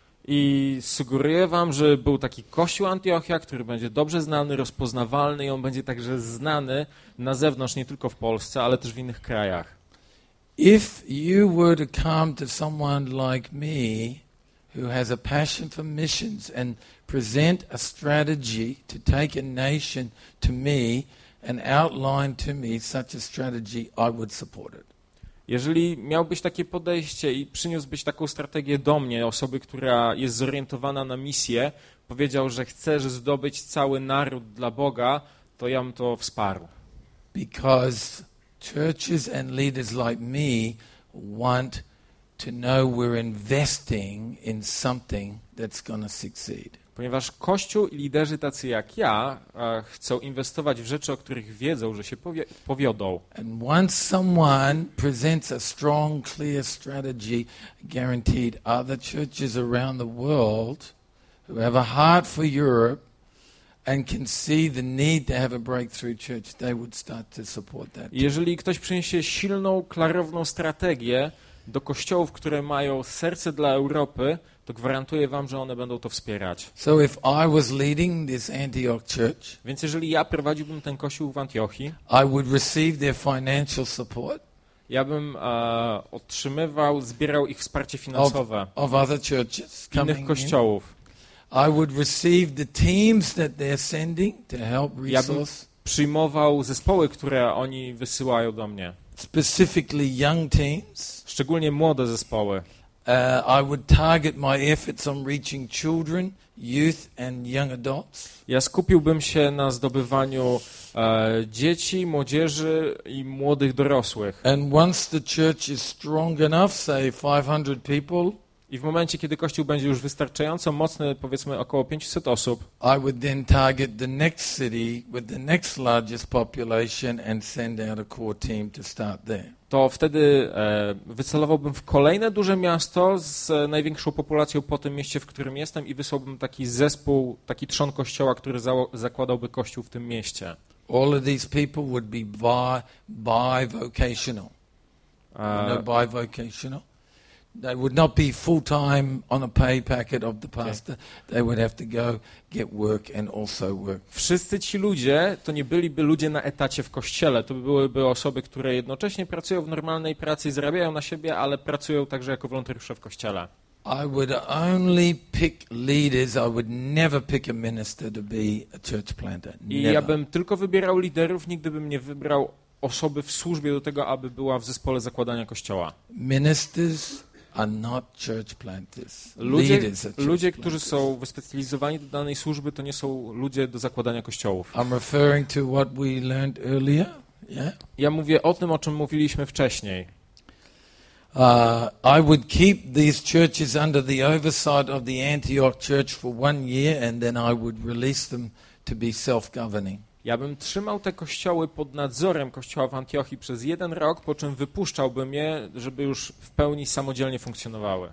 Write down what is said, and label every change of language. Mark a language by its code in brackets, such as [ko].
[pl] I sugeruję wam, że był taki kościół Antiochia, który będzie dobrze znany, rozpoznawalny, i on będzie także znany na zewnątrz, nie tylko w Polsce, ale też w innych krajach. [en] If you were to come to someone like me who has a passion for missions and present a strategy to take a nation to me and outline to me such a strategy, I would support it. [pl] Jeżeli miałbyś takie podejście i przyniósłbyś taką strategię do mnie, osoby, która jest zorientowana na misję, powiedział, że chcesz zdobyć cały naród dla Boga, to ja bym to wsparł. [en] Because churches and leaders like me want to know we're investing in something that's gonna succeed. [pl] Ponieważ Kościół i liderzy tacy jak ja chcą inwestować w rzeczy, o których wiedzą, że się powiodą. [en] And once someone presents a strong, clear strategy, guaranteed other churches around the world who have a heart for Europe and can see the need to have a breakthrough church, they would start to support that. [pl] Jeżeli ktoś przyniesie silną, klarowną strategię do kościołów, które mają serce dla Europy, to gwarantuję wam, że one będą to wspierać. [en] So if I was leading this Antioch church, [pl] więc jeżeli ja prowadziłbym ten kościół w Antiochii, [en] I would receive their financial support. [pl] Ja bym otrzymywał, zbierał ich wsparcie finansowe [en] of other churches [pl] innych kościołów. [en] I would receive the teams that they're sending to help resource. [pl] Ja bym przyjmował zespoły, które oni wysyłają do mnie. [en] Specifically young teams. [pl] Szczególnie młode zespoły. [en] I would target my efforts on reaching children, youth and young adults. [pl] Ja skupiłbym się na zdobywaniu dzieci, młodzieży i młodych dorosłych. [en] And once the church is strong enough, say 500 people, [pl] i w momencie, kiedy Kościół będzie już wystarczająco mocny, powiedzmy około 500 osób, [en] I would then target the next city with the next largest population and send out a core team to start there. [pl] To wtedy wycelowałbym w kolejne duże miasto z największą populacją po tym mieście, w którym jestem, i wysłałbym taki zespół, taki trzon kościoła, który zakładałby kościół w tym mieście. [en] All of these people would be bivocational. Bivocational. They would not be full time on a pay packet of the pastor. Okay. They would have to go get work and also work. [pl] Wszyscy ci ludzie to nie byliby ludzie na etacie w kościele. To byłyby osoby, które jednocześnie pracują w normalnej pracy, zarabiają na siebie, ale pracują także jako wolontariusze w kościele. [en] I would only pick leaders. I would never pick a minister to be a church planter. [pl] I ja bym tylko wybierał liderów, nigdy bym nie wybrał osoby w służbie do tego, aby była w zespole zakładania kościoła. [en] Ministers are not church planters. [pl] Ludzie, którzy są wyspecjalizowani do danej służby, to nie są ludzie do zakładania kościołów. [en] I'm referring to what we learned earlier. Yeah? [pl] Ja mówię o tym, o czym mówiliśmy wcześniej. [en] I would keep these churches under the oversight of the Antioch church for one year and then I would release them to be self-governing. [pl] Ja bym trzymał te kościoły pod nadzorem kościoła w Antiochii przez jeden rok, po czym wypuszczałbym je, żeby już w pełni samodzielnie funkcjonowały.